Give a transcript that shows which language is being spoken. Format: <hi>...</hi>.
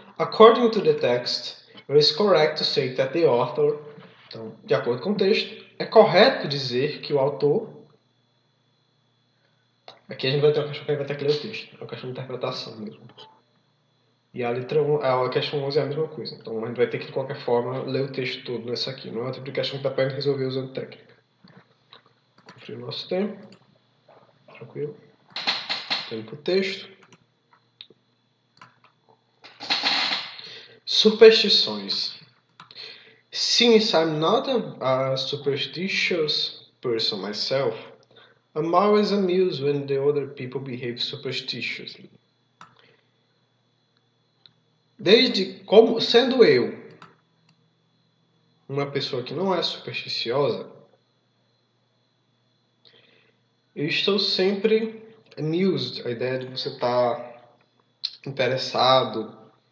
<en>According to the text, it is correct to say that the author.</en> <pt>Então, de acordo com o texto, é correto dizer que o autor. Aqui a gente vai ter uma questão que vai ter que ler o texto. É uma questão de interpretação mesmo. E a letra 1, a questão 11 é a mesma coisa. Então, a gente vai ter que, de qualquer forma, ler o texto todo nessa aqui. Não é outra questão que dá para resolver usando técnica. Conferir o nosso tempo. Tranquilo. Tempo para o texto. Superstições.</pt> <en>Since I'm not a superstitious person myself, I'm always amused when the other people behave superstitiously.</en> <pt>Desde como sendo eu uma pessoa que não é supersticiosa, eu estou sempre amused, a ideia de você estar interessado.</pt>